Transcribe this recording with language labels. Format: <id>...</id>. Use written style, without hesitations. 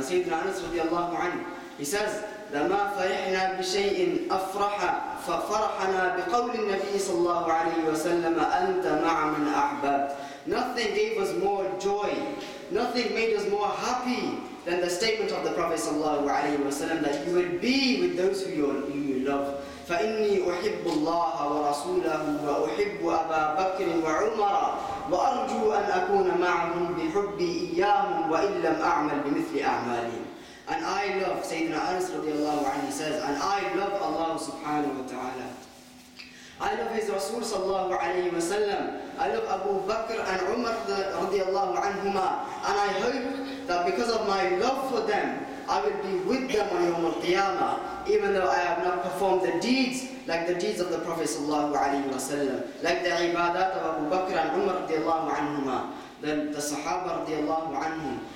<en>And Sayyidina Anas radiallahu anhu, he says,</en> <ar>لَمَا فَرِحْنَا بِشَيْءٍ أَفْرَحَ فَفَرْحَنَا بِقَوْلِ النَّبِيِّ صلى الله عليه وسلم أَنْتَ مَعَ مَنْ أَحْبَبْتَ</ar> <en>Nothing gave us more joy, nothing made us more happy than the statement of the Prophet صلى الله عليه وسلم that you will be with those who you love.</en> <ar>فَإِنِّي أُحِبُّ اللَّهَ وَرَسُولَهُ وَأُحِبُّ أَبَا بَكْرٍ وَعُمَرَ وَأَرْجُو أَنْ أَكُونَ مَعَهُمْ بِحُبِّي إِيَّاهُمْ وَإِنْ لَمْ أَعْمَلْ بِمِثْلِ أَعْمَالِهِمْ</ar> <en>And I love, Sayyidina Anas radiallahu anhu says, and I love Allah subhanahu wa ta'ala. I love his Rasul sallallahu alayhi wa sallam. I love Abu Bakr and Umar radiallahu anhuma. And I hope that because of my love for them, I will be with them on Yawm al-Qiyamah, even though I have not performed the deeds like the deeds of the Prophet sallallahu alayhi wa sallam, like the ibadat of Abu Bakr and Umar radiallahu anhuma, the Sahaba radiallahu anhum.</en>